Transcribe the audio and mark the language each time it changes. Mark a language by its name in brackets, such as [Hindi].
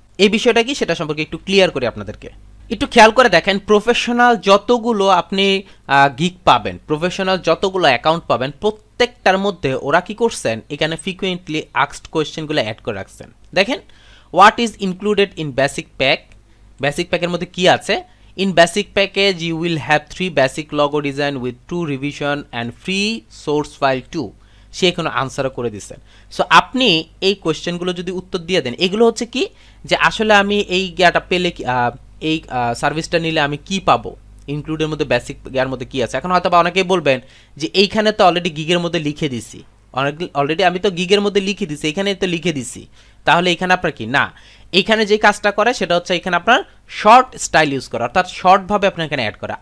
[Bangla] এই বিষয়টা কি সেটা সম্পর্কে একটু ক্লিয়ার করি আপনাদেরকে। একটু খেয়াল করে দেখেন, প্রফেশনাল যতগুলো আপনি গিগ পাবেন, প্রফেশনাল যতগুলো অ্যাকাউন্ট পাবেন, প্রত্যেকটার মধ্যে ওরা কি করছেন, এখানে ফ্রিকুয়েন্টলি আস্কড কোশ্চেনগুলো অ্যাড করে রাখছেন। দেখেন, [English] what is included in basic pack, [Bangla] basic প্যাকের মধ্যে কী আছে। [English] In basic package, you will have 3 basic logo design with 2 revision and free source file 2. [Bangla] সে এখানে আনসারও করে দিচ্ছেন। সো আপনি এই কোয়েশ্চেনগুলো যদি উত্তর দিয়ে দেন, এগুলো হচ্ছে কি, যে আসলে আমি এই গিয়াটা পেলে, এই সার্ভিসটা নিলে আমি কী পাবো, ইনক্লুডের মধ্যে বেসিক গিয়ার মধ্যে কী আছে। এখন হয়তো বা অনেকেই বলবেন যে এইখানে তো অলরেডি গিগের মধ্যে লিখে দিছি, অলরেডি আমি তো গিগের মধ্যে লিখে দিছি, এখানে তো লিখে দিছি, তাহলে এখানে আপনার কি না, এখানে যে কাজটা করে সেটা হচ্ছে এখানে আপনার শর্ট স্টাইল ইউজ করা, অর্থাৎ শর্টভাবে আপনি এখানে অ্যাড করা।